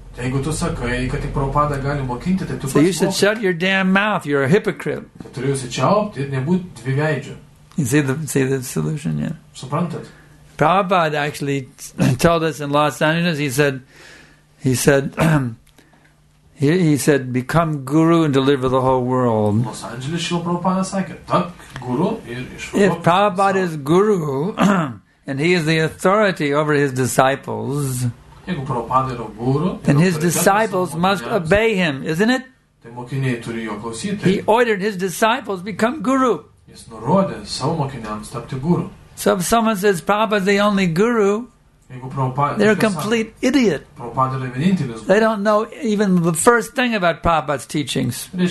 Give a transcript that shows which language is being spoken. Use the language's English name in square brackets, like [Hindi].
[English] So you should shut your damn mouth, you're a hypocrite. You see the solution, yeah. Prabhupada actually told us in Los Angeles, he said, he said, become guru and deliver the whole world. [Lithuanian] Los Angeles, Prabhupada sakė, tapk guru ir išvaduok. [English] If Prabhupada is guru and he is the authority over his disciples, [Lithuanian] jeigu Prabhupada yra guru, [English] then his disciples must obey him, isn't it? [Lithuanian] Tai mokiniai turi jo klausyti. [English] He ordered his disciples become guru. [Lithuanian] Jis nurodė savo mokiniams tapti guru. [English] So if someone says Prabhupada is the only guru, they're a complete idiot. They don't know even the first thing about Prabhupada's teachings.